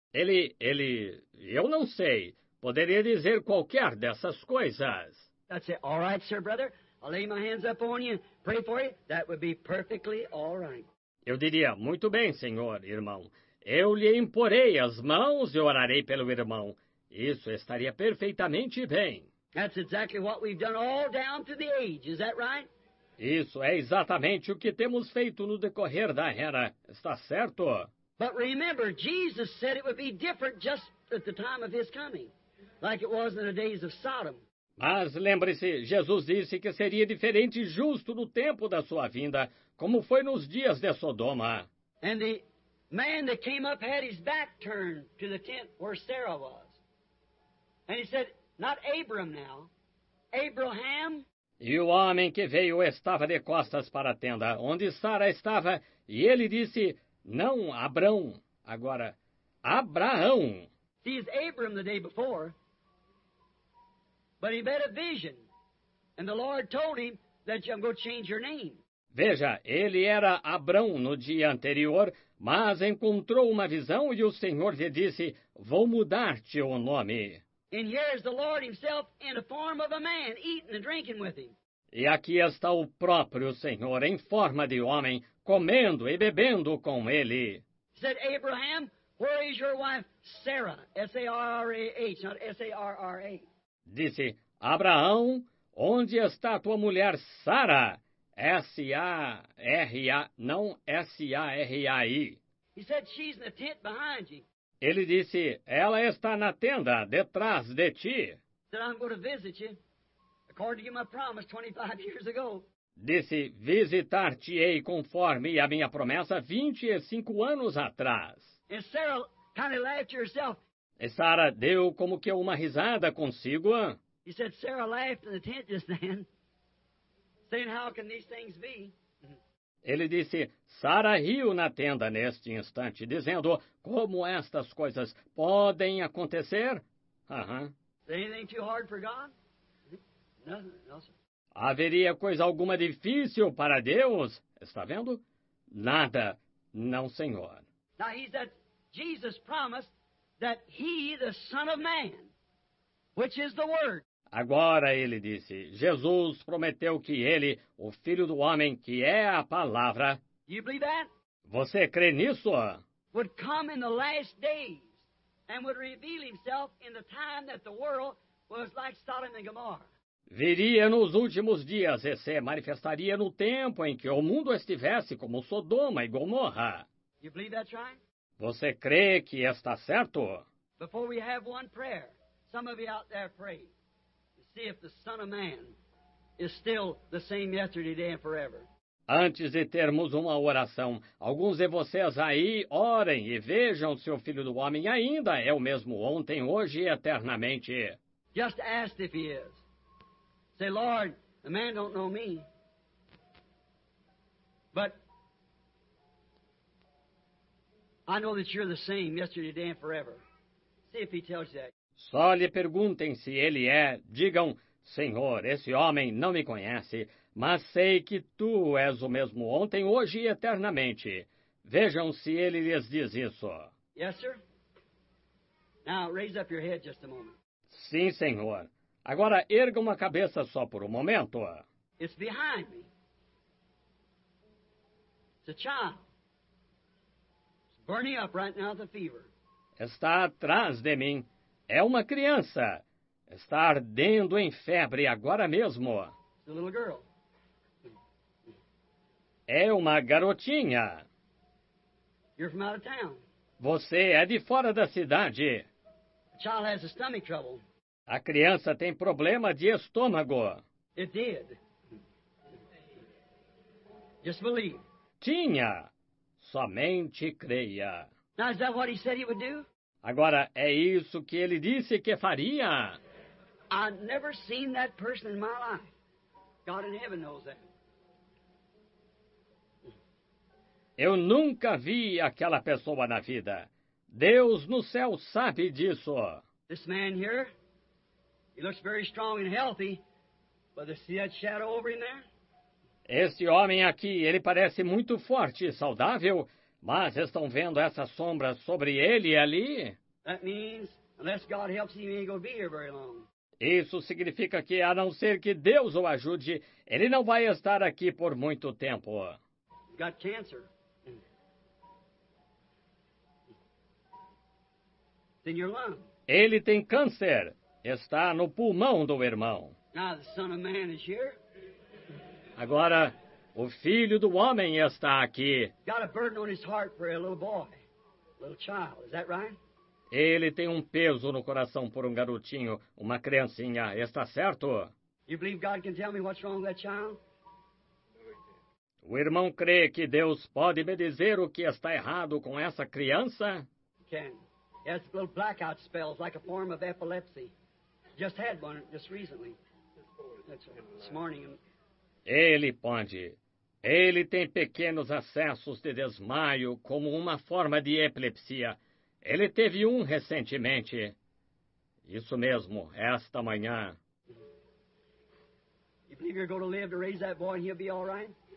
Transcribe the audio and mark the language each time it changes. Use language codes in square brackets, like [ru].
[pt] Eu não sei, poderia dizer qualquer dessas coisas. [en] That's it. All right, sir, brother. I'll lay my hands up on you and pray for you. That would be perfectly all right. [pt] Eu diria, muito bem, senhor irmão. Eu lhe imporei as mãos e orarei pelo irmão. Isso estaria perfeitamente bem. [en] That's exactly what we've done all down through the ages. Is that right? [pt] Isso é exatamente o que temos feito no decorrer da era, está certo? [en] But remember, Jesus said it would be different just at the time of his coming, like it was in the days of Sodom. [pt] Mas lembre-se, Jesus disse que seria diferente justo no tempo da sua vinda, como foi nos dias de Sodoma. [en] And the man that came up had his back turned to the tent where Sarah was. And he said, not Abram now, Abraham. [pt] E o homem que veio estava de costas para a tenda onde Sara estava, e ele disse: Não, Abrão. Agora, Abraão. [en] He's Abram the day before, but he had a vision, and the Lord told him that I'm going to change your name. [pt] Veja, ele era Abrão no dia anterior, mas encontrou uma visão e o Senhor lhe disse: Vou mudar-te o nome. [en] And here's the Lord himself in the form of a man, eating and drinking with him. [pt] E aqui está o próprio Senhor em forma de homem, comendo e bebendo com ele. [en] Said, Abraham, where is your wife Sarah? Sarah, not Sarra. [pt] Disse: Abraão, onde está tua mulher Sara? Sarra, não Sarri. [en] He said, she's in the tent behind you. [pt] Ele disse: Ela está na tenda, detrás de ti. [en] Said, I'm going to visit you, according to my promise 25 years ago. [pt] Disse: Visitar-te-ei conforme a minha promessa 25 anos atrás. [en] And Sarah kind of laughed to herself. [pt] E Sara deu como que uma risada consigo. [en] He said, Sarah laughed in the tent just then, saying, how can these things be? [pt] Ele disse: Sara riu na tenda neste instante, dizendo: Como estas coisas podem acontecer? [en] Anything too hard for God? Nothing else. [pt] Haveria coisa alguma difícil para Deus? Está vendo? Nada, não, Senhor. [en] Now he said, Jesus promised that he, the Son of Man, which is the Word. [pt] Agora ele disse: Jesus prometeu que ele, o Filho do Homem, que é a Palavra, [en] You believe that? [pt] você crê nisso? [en] Would come in the last days and would reveal himself in the time that the world was like Sodom and Gomorrah. [pt] Viria nos últimos dias e se manifestaria no tempo em que o mundo estivesse como Sodoma e Gomorra. [en] You believe that's right? [pt] Você crê que está certo? [en] Before we have one prayer, some of you out there pray to see if the Son of Man is still the same yesterday, today, and forever. [pt] Antes de termos uma oração, alguns de vocês aí orem e vejam se o Filho do Homem ainda é o mesmo ontem, hoje e eternamente. [en] Just ask if he is. Say, Lord, the man don't know me, but I know that you're the same yesterday, today, and forever. See if he tells you that. [pt] Só lhe perguntem se ele é. Digam: Senhor, esse homem não me conhece, Mas sei que tu és o mesmo ontem, hoje e eternamente. Vejam se ele lhes diz isso. [en] Yes, sir. Now, raise up your head just a moment. [pt] Sim, senhor. Agora ergam a cabeça só por um momento. [en] It's behind me. It's a child. It's burning up right now with a fever. [pt] Está atrás de mim. É uma criança. Está ardendo em febre agora mesmo. [en] It's a little girl. [pt] É uma garotinha. [en] You're from out of town. [pt] Você é de fora da cidade. [en] The child has a stomach trouble. [pt] A criança tem problema de estômago. [en] It did. Just believe. [pt] Tinha. Somente creia. [en] Now, is that what he said he would do? [pt] Agora, é isso que ele disse que faria? [en] I've never seen that person in my life. God in heaven knows that. [pt] Eu nunca vi aquela pessoa na vida. Deus no céu sabe disso. [en] This man here, he looks very strong and healthy. But you see that shadow over in there? [pt] Este homem aqui, ele parece muito forte e saudável, mas estão vendo essa sombra sobre ele ali? [en] That means, unless God helps him, he ain't gonna be here very long. [pt] Isso significa que, a não ser que Deus o ajude, ele não vai estar aqui por muito tempo. [en] He's got cancer. In your lung. [pt] Ele tem câncer. Está no pulmão do irmão. [en] Now the son of man is here. [pt] Agora, o filho do homem está aqui. [en] Got a burden on his heart for a little boy, a little child. Is that right? [pt] Ele tem um peso no coração por um garotinho, uma criancinha. Está certo? [en] You believe God can tell me what's wrong with that child? [pt] O irmão crê que Deus pode me dizer o que está errado com essa criança? [en] Can. He has little blackout spells, like a form of epilepsy. Just had one, just recently. This morning. [pt] Ele pode. Ele tem pequenos acessos de desmaio, como uma forma de epilepsia. Ele teve um recentemente. Isso mesmo, esta manhã. [en] You believe you're going to live to raise that boy and he'll be all right?